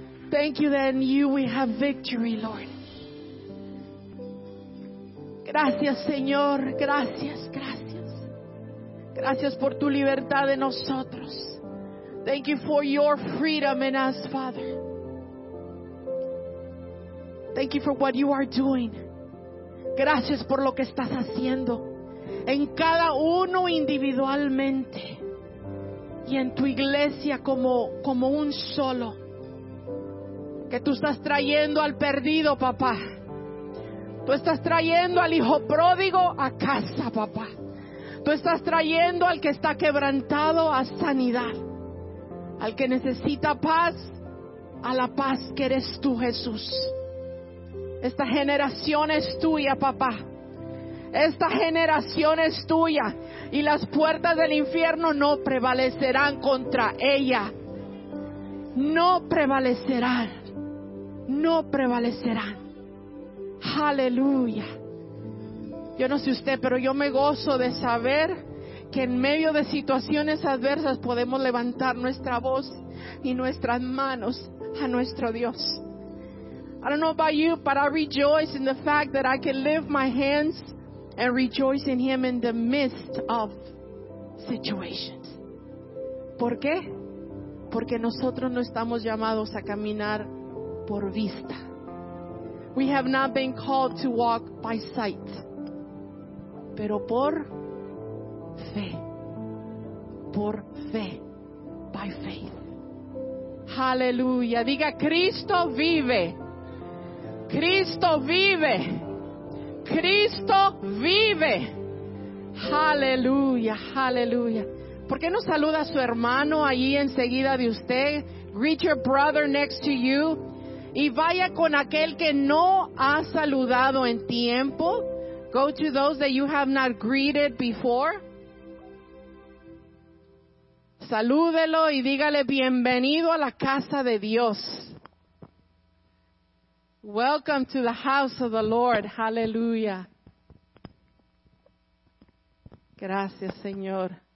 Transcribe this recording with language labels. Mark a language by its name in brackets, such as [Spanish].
[English] Thank you that in you we have victory, Lord. [Spanish] Gracias, Señor. Gracias, gracias. Gracias por tu libertad de nosotros. [English] Thank you for your freedom in us, Father. Thank you for what you are doing. [Spanish] Gracias por lo que estás haciendo en cada uno individualmente y en tu iglesia como un solo. Que tú estás trayendo al perdido, papá. Tú estás trayendo al hijo pródigo a casa, papá. Tú estás trayendo al que está quebrantado a sanidad. Al que necesita paz, a la paz que eres tú, Jesús. Esta generación es tuya, papá. Esta generación es tuya. Y las puertas del infierno no prevalecerán contra ella. No prevalecerán. No prevalecerán. Aleluya. Yo no sé usted, pero yo me gozo de saber que en medio de situaciones adversas podemos levantar nuestra voz y nuestras manos a nuestro Dios. [English] I don't know about you, but I rejoice in the fact that I can lift my hands and rejoice in Him in the midst of situations. [Spanish] ¿Por qué? Porque nosotros no estamos llamados a caminar por vista. [English] We have not been called to walk by sight, [Spanish] pero por fe. Por fe. [English] By faith. [Spanish] Aleluya. Diga, Cristo vive. Cristo vive. Cristo vive. Aleluya. Aleluya. ¿Por qué no saluda a su hermano ahí enseguida de usted? [English] Greet your brother next to you. [Spanish] Y vaya con aquel que no ha saludado en tiempo. [English] Go to those that you have not greeted before. [Spanish] Salúdelo y dígale bienvenido a la casa de Dios. [English] Welcome to the house of the Lord. Hallelujah. [Spanish] Gracias, Señor.